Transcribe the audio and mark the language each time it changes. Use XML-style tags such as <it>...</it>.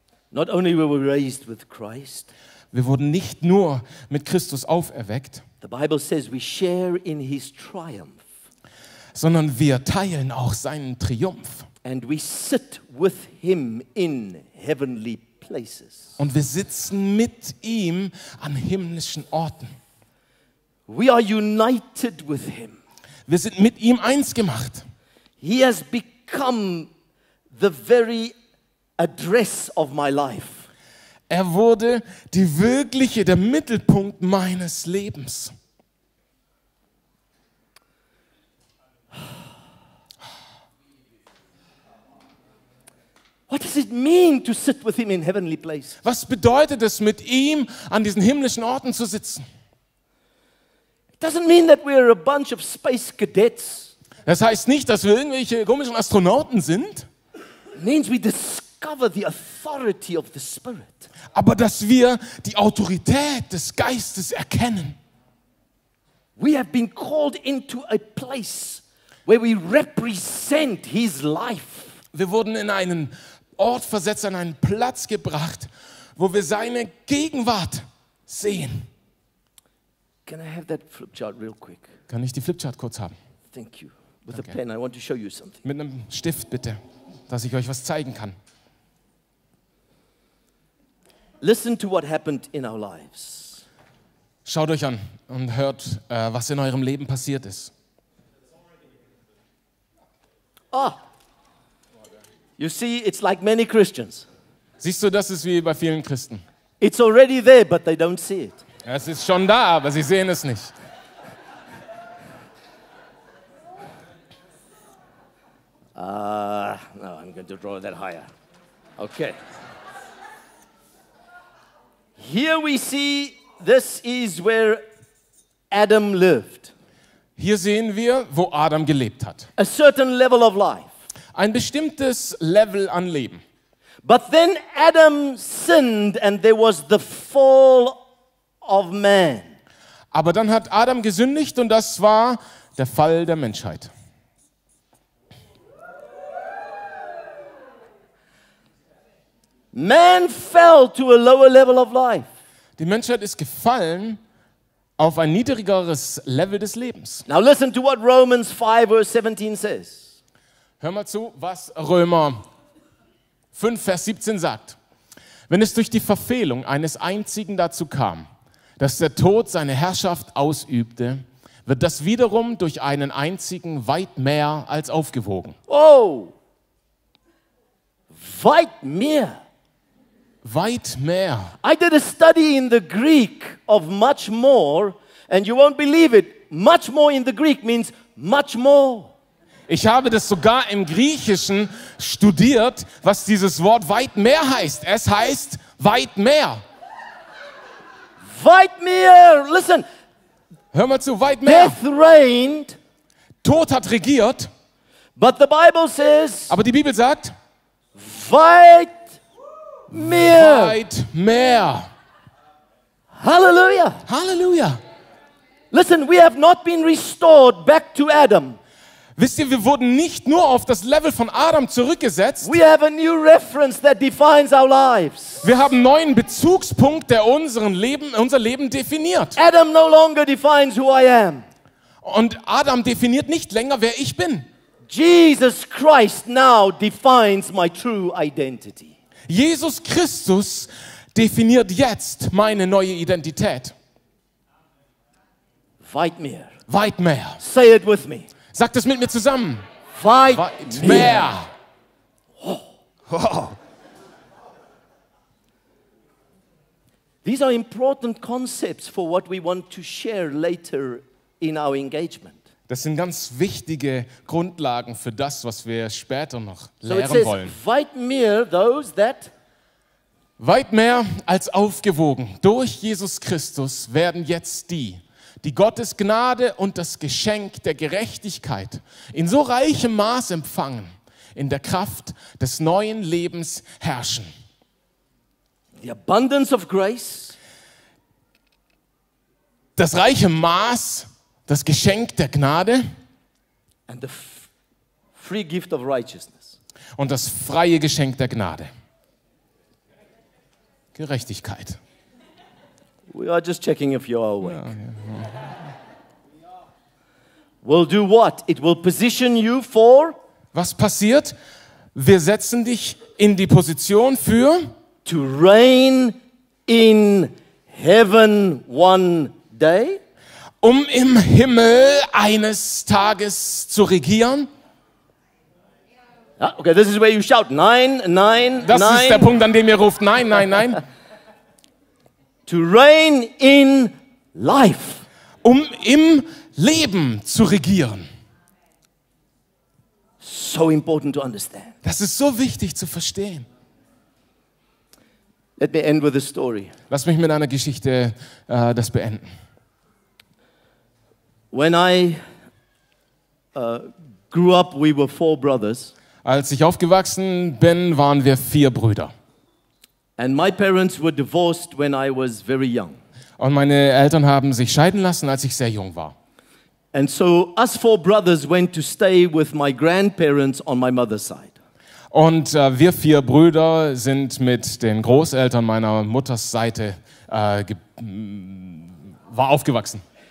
<en>Not only were we raised with Christ,</en> <de>wir wurden nicht nur mit Christus auferweckt,</de> <en>the Bible says we share in his triumph,</en> <de>sondern wir teilen auch seinen Triumph.</de> <en>And we sit with him in heavenly places.</en> <de>Und wir sitzen mit ihm an himmlischen Orten.</de> <en>We are united with him.</en> <de>Wir sind mit ihm eins gemacht.</de> <en>He has become the very address of my life.</en> <de>Er wurde die wirkliche, der Mittelpunkt meines Lebens.</de> <en>What does it mean to sit with him in heavenly place?</en> <de>Was bedeutet es, mit ihm an diesen himmlischen Orten zu sitzen?</de> <en>It doesn't mean that we are a bunch of space cadets.</en> <de>Das heißt nicht, dass wir irgendwelche komischen Astronauten sind.</de> <en>It means we discover the authority of the Spirit.</en> <de>Aber dass wir die Autorität des Geistes erkennen.</de> <en>We have been called into a place where we represent his life.</en> <de>Wir wurden in einen Ort versetzt, an einen Platz gebracht, wo wir seine Gegenwart sehen.</de> <en>Can I have that flip chart real quick?</en> <de>Kann ich die Flipchart kurz haben?</de> <en>Thank you. With a pen, I want to show you something.</en> <de>Mit einem Stift bitte, dass ich euch was zeigen kann.</de> <en>Listen to what happened in our lives.</en> <de>Schaut euch an und hört, was in eurem Leben passiert ist. Ah.</de> <en>You see, it's like many Christians.</en> <de>Siehst du, das ist wie bei vielen Christen.</de> <en>It's already there, but they don't see it.</en> <de>Es ist schon da, aber sie sehen es nicht.</de> <en>No, I'm going to draw that higher. Okay. Here we see, this is where Adam lived.</en> <de>Hier sehen wir, wo Adam gelebt hat.</de> <en>A certain level of life.</en> <de>Ein bestimmtes Level an Leben.</de> <en>But then Adam sinned and there was the fall of man.</en> <de>Aber dann hat Adam gesündigt und das war der Fall der Menschheit.</de> <en>Man fell to a lower level of life.</en> <de>Die Menschheit ist gefallen auf ein niedrigeres Level des Lebens.</de> <en>Now listen to what Romans 5 verse 17 says.</en> <de>Hör mal zu, was Römer 5, Vers 17 sagt. Wenn es durch die Verfehlung eines Einzigen dazu kam, dass der Tod seine Herrschaft ausübte, wird das wiederum durch einen Einzigen weit mehr als aufgewogen. Oh, weit mehr. Weit mehr.</de> <en>I did a study in the Greek of much more, and you won't believe it, much more in the Greek means much more.</en> <de>Ich habe das sogar im Griechischen studiert, was dieses Wort weit mehr heißt. Es heißt weit mehr. Weit mehr,</de> <en>listen.</en> <de>Hör mal zu, weit mehr.</de> <en>Death reigned.</en> <de>Tod hat regiert.</de> <en>But the Bible says.</en> <de>Aber die Bibel sagt. Weit mehr. Weit mehr. Halleluja. Halleluja.</de> <en>Listen, we have not been restored back to Adam.</en> <de>Wisst ihr, wir wurden nicht nur auf das Level von Adam zurückgesetzt.</de> <en>We have a new reference that defines our lives.</en> <de>Wir haben einen neuen Bezugspunkt, der unser Leben definiert.</de> <en>Adam no longer defines who I am.</en> <de>Und Adam definiert nicht länger, wer ich bin.</de> <en>Jesus Christ now defines my true identity.</en> <de>Jesus Christus definiert jetzt meine neue Identität. Weit mehr. Weit mehr.</de> <en>Say it with me.</en> <de>Sagt es mit mir zusammen. Weit mehr. Oh. Oh.</de> <en>These are important concepts for what we want to share later in our engagement.</en> <de>Das sind ganz wichtige Grundlagen für das, was wir später noch lehren wollen.</de> <en>So it says,</en> <de>weit mehr</de> <en>those that</en> <de>weit mehr als aufgewogen durch Jesus Christus werden jetzt die, die Gottes Gnade und das Geschenk der Gerechtigkeit in so reichem Maß empfangen, in der Kraft des neuen Lebens herrschen.</de> <en>The abundance of grace.</en> <de>Das reiche Maß, das Geschenk der Gnade.</de> <en>And the free gift of righteousness.</en> <de>Und das freie Geschenk der Gnade. Gerechtigkeit.</de> <en>We are just checking if you are awake. Yeah. We'll do what? It will position you for.</en> <de>Was passiert? Wir setzen dich in die Position für.</de> <en>To reign in heaven one day.</en> <de>Um im Himmel eines Tages zu regieren.</de> <en>Okay, this is where you shout.</en> <de>Nein, nein, das nein. Das ist der Punkt, an dem ihr ruft. Nein, nein, nein.</de> <en>to reign in life.</en> <de>Um im Leben zu regieren.</de> <en>So important to understand.</en> <de>Das ist so wichtig zu verstehen.</de> <en>Let me end with a story.</en> <de>Lass mich mit einer Geschichte das beenden.</de> <en>When I grew up, we were four brothers.</en> <de>Als ich aufgewachsen bin, waren wir vier Brüder.</de> <en>And my parents were divorced when I was very young.</en> <de>Und meine Eltern haben sich scheiden lassen, als ich sehr jung war.</de> <en>And so us four brothers went to stay with my grandparents on my mother's side.</en> <de>Und wir vier Brüder sind mit den Großeltern meiner Mutters Seite war aufgewachsen.</de>